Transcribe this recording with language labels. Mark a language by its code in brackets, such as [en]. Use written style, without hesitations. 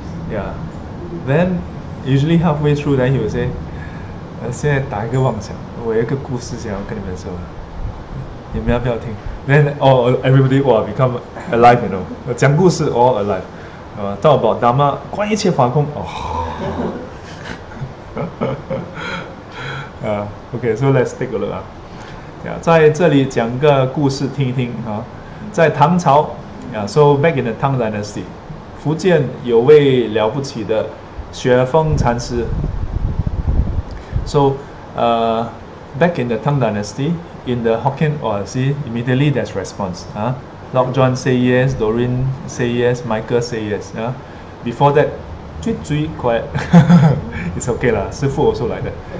[en] Yeah, then usually halfway through then he will say, [zh] 现在打一个妄想，我有一个故事想要跟你们说，你们要不要听？ [en] Then everybody become alive, you know. [zh] 讲故事 [en] all alive. Talk about Dharma, [zh] 观一切法空。 [en] Okay, so let's take a look. [zh] 在这里讲个故事听一听。在唐朝， [en] so back in the Tang Dynasty, [zh] 福建有位了不起的雪峰禅师。 [en] So, back in the Tang Dynasty, in the Hokkien, immediately there's response. Lok John say yes, Doreen say yes, Michael say yes. Before that, tweet, quiet. It's okay lah, 师父 also like that.